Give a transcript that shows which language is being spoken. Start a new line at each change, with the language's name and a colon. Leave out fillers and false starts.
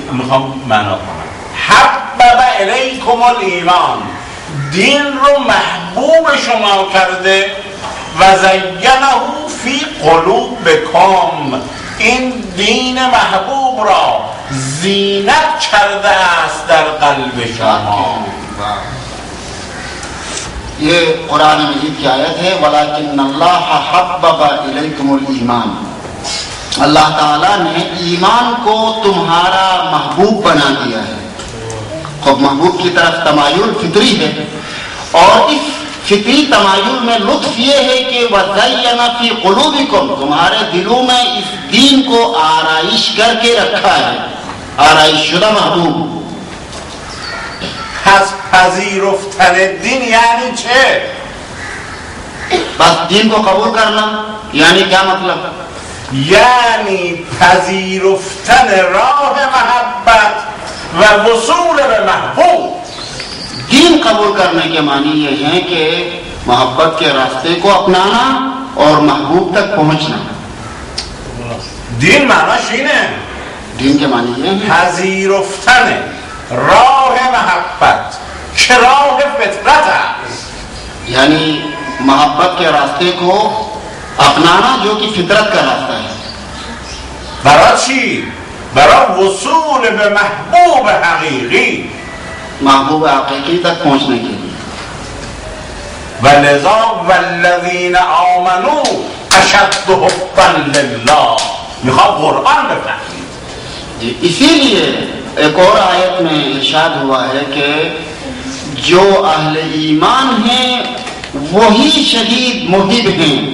Arabic: حبب اليكم الايمان،
Persian: دین رو محبوب شما کرده،
Arabic: و زینه فی قلوبکم،
Persian: این دین محبوب را زینت کرده است در قلب شما.
Urdu: یہ قرآن مجید کی آیت ہے،
Arabic: ولکن اللہ حبب الیکم الایمان،
Urdu: اللہ تعالیٰ نے ایمان کو تمہارا محبوب بنا دیا ہے. خب محبوب کی طرف تمایل فطری ہے، اور اس فطری تمایل میں لطف یہ ہے کہ
Arabic: وزینا فی قلوبکم،
Urdu: تمہارے دلوں میں اس دین کو آرائش کر کے رکھا ہے، آرائش شدہ محبوب.
Persian: پس پذیرفتن دین یعنی چه؟
Urdu: پس دین کو قبول کرنا یعنی کیا مطلب؟
Persian: یعنی پذیرفتن راه محبت و وصول به محبوب.
Urdu: دین قبول کرنے کے معنی یہ ہیں کہ محبت کے راستے کو اپنانا اور محبوب تک پہنچنا.
Persian: دین معنیش اینه،
Urdu: دین کے معنی یہ ہیں
Persian: پذیرفتن راه محبت که راه فطرت است،
Urdu: یعنی محبت کے راستے کو اپنانا جو کی فطرت کا راستہ ہے.
Persian: برای چی؟ برای وصول به محبوب حقیقی،
Urdu: محبوب حقیقی تک پہنچنے کے لیے.
Persian: ولذا
Arabic: والذین آمنوا اشد حبا لله،
Persian: میخواد قرآن بفهمید.
Urdu: جی، اسی لیے ایک اور آیت میں ارشاد ہوا ہے کہ جو اہل ایمان ہیں وہی شدید محب ہیں.